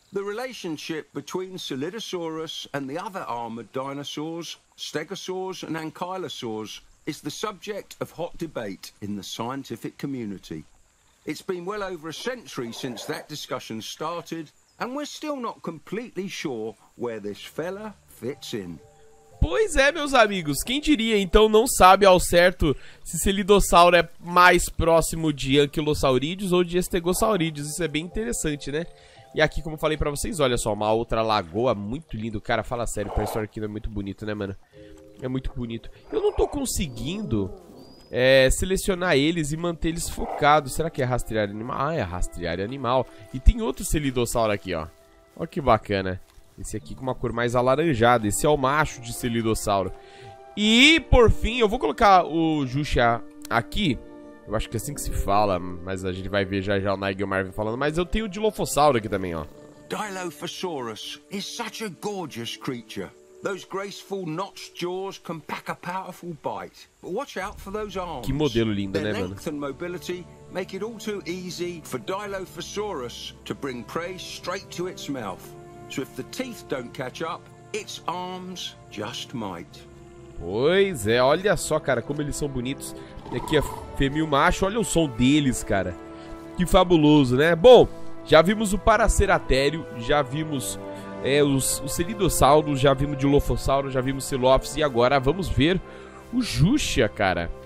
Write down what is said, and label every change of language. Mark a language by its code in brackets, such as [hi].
[en] The relationship between Silitosaurus and the other armored dinosaurs, Stegosaurs and Ankylosaurs, is the subject of hot debate in the scientific community. It's been well over a century since that discussion started. And we're still not completely sure where this fella fits in. [pt] Pois é, meus amigos, quem diria, então não sabe ao certo se Silidossauro é mais próximo de Anquilossaurídeos ou de Estegossaurídeos. Isso é bem interessante, né? E aqui, como eu falei pra vocês, olha só, uma outra lagoa muito linda. Cara, fala sério, pra história aqui não é muito bonito, né, mano? É muito bonito. Eu não tô conseguindo selecionar eles e manter eles focados. Será que é rastrear animal? Ah, é rastrear animal. E tem outro Silidossauro aqui, ó. Olha que bacana. Esse aqui com uma cor mais alaranjada. Esse é o macho de Silidossauro. E, por fim, eu vou colocar o Juxia aqui. Eu acho que é assim que se fala, mas a gente vai ver já já o Nigel Marvin falando. Mas eu tenho o Dilophosaurus aqui também, ó. [en] Dilophosaurus is such a gorgeous creature. Those graceful notched jaws can pack a powerful bite. But watch out for those arms. [pt] Que modelo lindo, [en] their length [pt] mano? [en] And mobility make it all too easy for Dilophosaurus to bring prey straight to its mouth. So if the teeth don't catch up, its arms just might. [pt] Pois é, olha só, cara, como eles são bonitos. Aqui é fêmea e o macho, olha o som deles, cara. Que fabuloso, né? Bom, já vimos o Paraceratério, já vimos os Silidossauros, já vimos o Dilophosaurus, já vimos o Silophysis, e agora vamos ver o Juxia, cara.